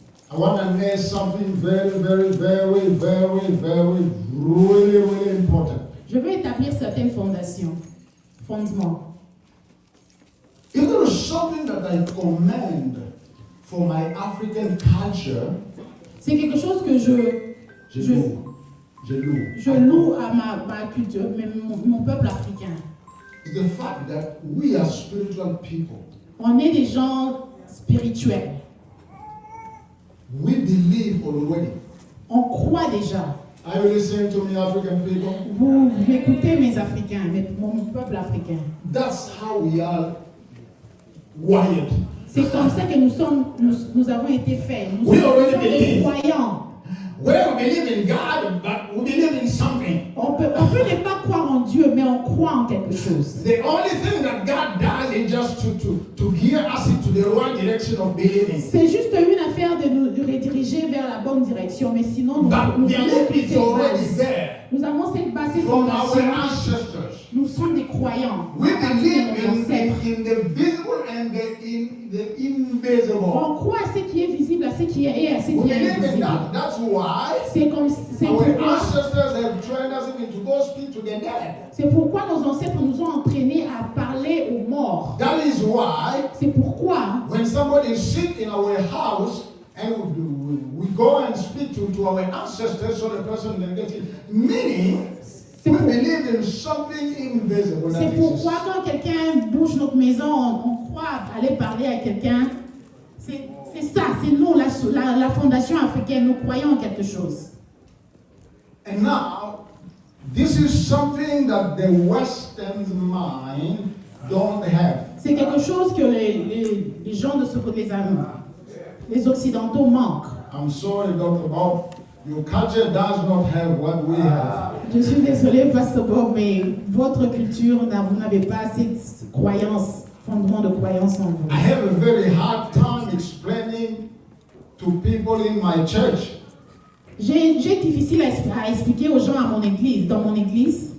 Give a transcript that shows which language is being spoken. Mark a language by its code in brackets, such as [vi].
[en] I want to say something very, very, very, very, very, really, really important. [fr] Je veux établir certaines fondations, fondements. [en] Even something that I commend for my African culture, [fr] c'est quelque chose que je loue à ma culture, mais mon peuple africain. [en] It's the fact that we are spiritual people. [fr] On est des gens spirituels. [en] We believe already. [fr] On croit déjà. [en] Are you listening to me, African people? [fr] Vous m'écoutez, mes Africains, mon peuple africain. [en] That's how we are wired. [fr] C'est comme ça que nous avons été faits. Nous [en] we already believe. [fr] Des croyants. [en] Well, we believe in God, but we believe in something. [fr] On peut ne pas croire en Dieu, mais on croit en quelque chose. [en] The only thing that God does is just to gear us into the right direction of believing. [fr] C'est juste une affaire de nous rediriger vers la bonne direction, mais sinon nous avons cette base [en] from our ancestors. [fr] Nous sommes des croyants. [en] We believe in the visible and the invisible. [fr] On croit à ce qui est visible, à ce qui est et à ce qui est invisible. [en] That's why our ancestors have trained us even to go speak to the dead. [fr] C'est pourquoi nos ancêtres nous ont entraînés à parler aux morts. [en] That is why. [fr] C'est pourquoi. [en] When somebody sits in our house and we go and speak to our ancestors, so the person can get it. Meaning. [fr] C'est pourquoi quand quelqu'un bouge notre maison, on croit aller parler à quelqu'un. C'est ça, c'est nous, la fondation africaine, nous croyons en quelque chose. [en] And now, this is something that the Western mind don't have. [fr] C'est quelque chose que les gens de ce côté, les Occidentaux manquent. [en] I'm sorry, Dr. Bob. Your culture does not have what we have. [fr] Je suis désolé, Pastor Bob, mais votre culture, vous n'avez pas cette croyance, fondement de croyance en vous. [en] I have a very hard time explaining to people in my church. [fr] J'ai difficile à expliquer aux gens à mon église, dans mon église.